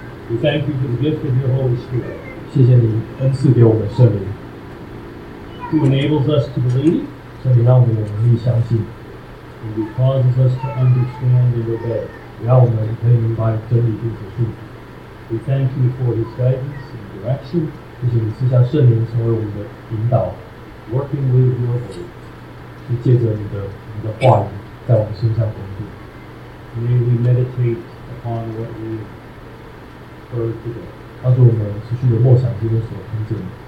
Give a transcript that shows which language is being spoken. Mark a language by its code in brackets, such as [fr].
[en] We thank you for the gift of your Holy Spirit. [zh] 谢谢你恩赐给我们圣灵。 [en] Who enables us to believe. [zh] 圣灵让我们有能力相信。 [en] And who causes us to understand and obey. [zh] 让我们可以明白真理并且顺服。 [en] We thank you for his guidance and direction. [zh] 谢谢你赐下圣灵成为我们的引导。 [en] Working with your Holy Spirit. [zh] 是借着你的话语在我们身上工作。 [en] May we meditate upon what we have. [zh] 帮助我们持续的默想今天所听见的。